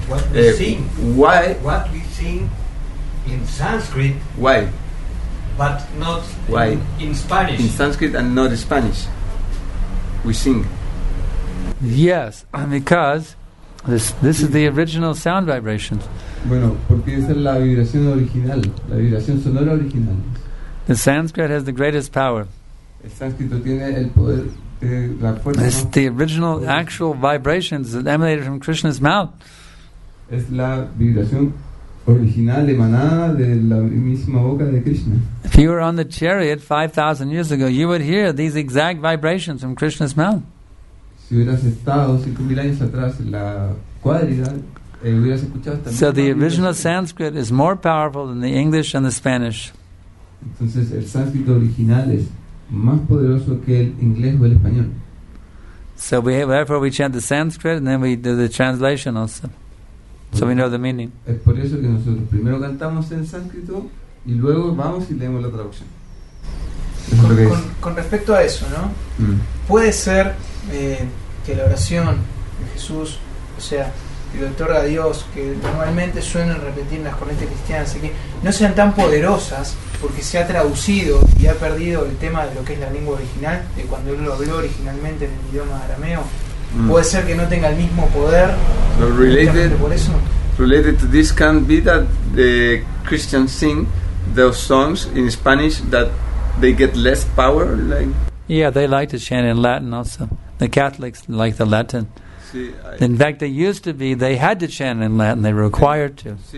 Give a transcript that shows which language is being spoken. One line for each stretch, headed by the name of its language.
English: what we sing in Sanskrit. Why? But not why? In Spanish. In Sanskrit and not Spanish. We sing. Yes, because this is the original sound vibrations.
Spanish: Bueno, porque esa es la vibración original, la vibración sonora original.
English: The Sanskrit has the greatest power.
Spanish: El sánscrito tiene el poder, la fuerza.
English: It's the original, actual vibrations that emanated from Krishna's mouth.
Spanish: Es la vibración original emanada de la misma boca de Krishna.
English: If you were on the chariot 5,000 years ago, you would hear these exact vibrations from Krishna's mouth.
Spanish: Si hubieras estado 5,000 años atrás en la cuadriga.
English: So the original Sanskrit is more powerful than the English and the Spanish.
Spanish: Entonces el sánscrito original es más poderoso que el inglés o el español.
English: So we have, therefore we chant the Sanskrit and then we do the translation also, so we know the meaning.
Spanish: Es por eso que nosotros primero cantamos en sánscrito y luego vamos y leemos la traducción. Con respecto a eso, ¿no? Puede ser que la oración de Jesús, o sea, que le otorga a Dios, que normalmente suenan repetir las corrientes cristianas, así que no sean tan poderosas porque se ha traducido y ha perdido el tema de lo que es la lengua original, de cuando él lo habló originalmente en el idioma arameo. Puede ser que no tenga el mismo poder.
English: So related to this can be that the Christians sing those songs in Spanish that they get less power, like. Yeah, they like to chant in Latin also. The Catholics like the Latin. In fact, they used to be, they had to chant in Latin, they were required to.